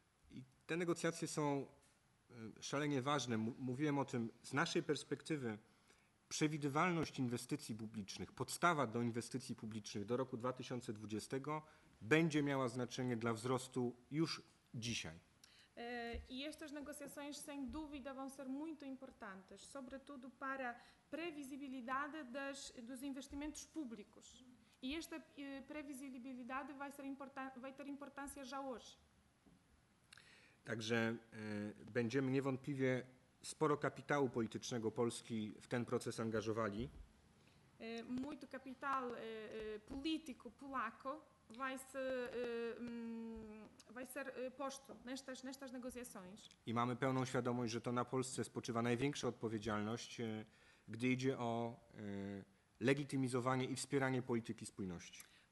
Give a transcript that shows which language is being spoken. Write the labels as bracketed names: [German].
[Polish] E te negociacje są szalenie ważne. Mówiłem o tym z naszej perspektywy. Przewidywalność inwestycji publicznych, podstawa do inwestycji publicznych do roku 2020 będzie miała znaczenie dla wzrostu już dzisiaj. [Portuguese] E estas negociações sem dúvida vão ser muito importantes, sobretudo para previsibilidade dos investimentos públicos. E esta previsibilidade vai ter importância já hoje. [Polish] Także będziemy niewątpliwie sporo kapitału politycznego Polski w ten proces angażowali. [Portuguese] Muito capital político polaco vai ser posto nestas negociações. [Polish] I mamy pełną świadomość, że to na Polsce spoczywa największa odpowiedzialność, gdy idzie o legitymizowanie i wspieranie polityki spójności.